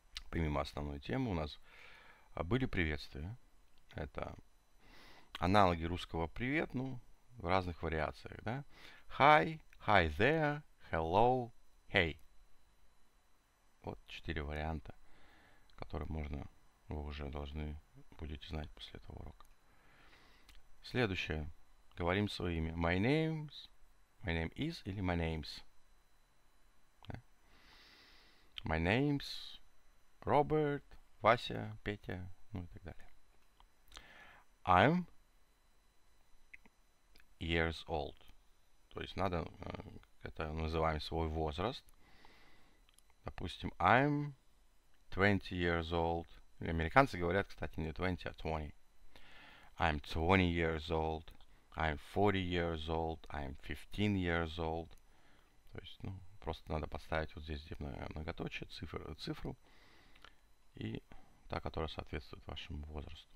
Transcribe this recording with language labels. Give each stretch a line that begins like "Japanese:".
Russian: Помимо основной темы у нас были приветствия. Это аналоги русского привет, ну, в разных вариациях, да.
English: Hi, hi there, hello, hey.
Russian: Вот четыре варианта который можно, вы уже должны будете знать после этого урока. Следующее. Говорим свое имя.
English: My name is или my names? My name's
Russian: Robert, Вася, Петя, ну и так далее.
English: I'm years old.
Russian: То есть надо, это называем свой возраст. Допустим,
English: I'm 20 years old.
Russian: Американцы говорят, кстати, не 20, а 20.
English: I'm 20 years old. I'm 40 years old. I'm 15 years old.
Russian: То есть, ну, просто надо поставить вот здесь, где многоточие, цифру, и та, которая соответствует вашему возрасту.